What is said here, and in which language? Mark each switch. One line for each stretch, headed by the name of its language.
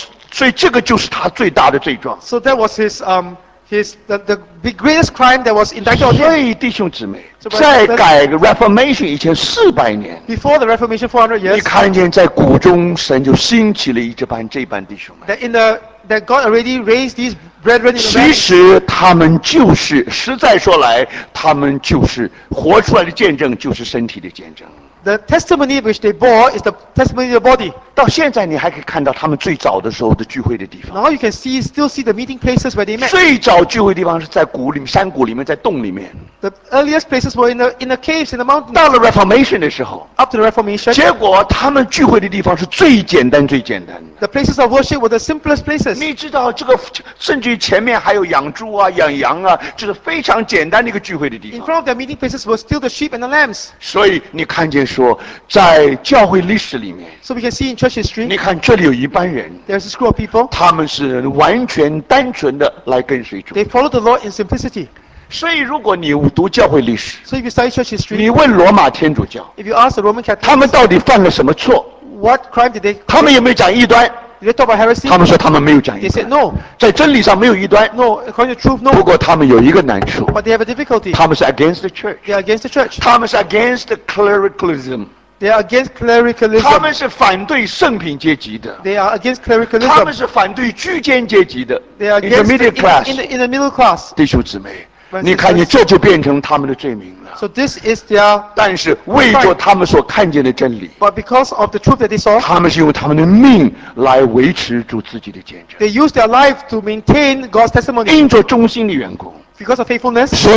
Chinese: 所以这个就是他最大的罪状。
English: So that was his the greatest crime that was indicted on him.
Chinese: 所以弟兄姊妹，在改 Reformation 以前400年
English: ，Before the Reformation 400 years，
Chinese: 你看见在谷中神就兴起了这般弟兄们。
English: That God already raised these brethren in the valley.
Chinese: 其实他们就是，实在说来，他们就是活出来的见证，就是身体的见证。
English: The testimony which they bore is the testimony of the body.
Chinese: 到现在你还可以看到他们最早的时候的聚会的地方。
English: Now you can still see the meeting places where they met.
Chinese: 最早聚会的地方是在谷里面，山谷里面，在洞里面。
English: The earliest places were in the caves in the mountains.
Chinese: 到了 Reformation 的时候
English: ，Up to the Reformation.
Chinese: 结果他们聚会的地方是最简单最简单的。
English: The places of worship were the simplest places.
Chinese: 你知道这个，甚至于前面还有养猪啊、养羊啊，就是非常简单的一个聚会的地方。
English: In front of their meeting places were still the sheep and the lambs.
Chinese: 所以你看见。说在教会历史里面，
English: so we can see in church history,
Chinese: 你看这里有一班人，
English: there's a group of people,
Chinese: 他们是完全单纯的来跟随主。
English: They follow the Lord in simplicity.
Chinese: 所以如果你读教会历史，
English: so if you study church history,
Chinese: 你问罗马天主教，
English: if you ask the Roman Catholics,
Chinese: 他们到底犯了什么错？
English: What crime did they?
Chinese: 他们有没有讲异端？
English: Did they talk about heresy?
Chinese: 他们说他们没有讲异端。
English: They said no.
Chinese: 在真理上没有异端。
English: No, according to truth, no.
Chinese: 不过他们有一个难处。
English: But they have a difficulty.
Chinese: 他们是
English: against the church. They are against the church.
Chinese: 他们是
English: against the clericalism. They are against clericalism.
Chinese: 他们是反对圣品阶级的。
English: They are against clericalism.
Chinese: 他们是反对居间阶级的。
English: They are against intermediate class. In the middle class.
Chinese: 弟兄姊妹，你看你这就变成他们的罪名了。
English: So this is their.
Chinese: 但是为着他们所看见的真理。
English: But because of the truth that they saw.
Chinese: 他们是用他们的命来维持住自己的见证。
English: They use their life to maintain God's testimony.
Chinese: 因着忠心的缘故。
English: Because of faithfulness.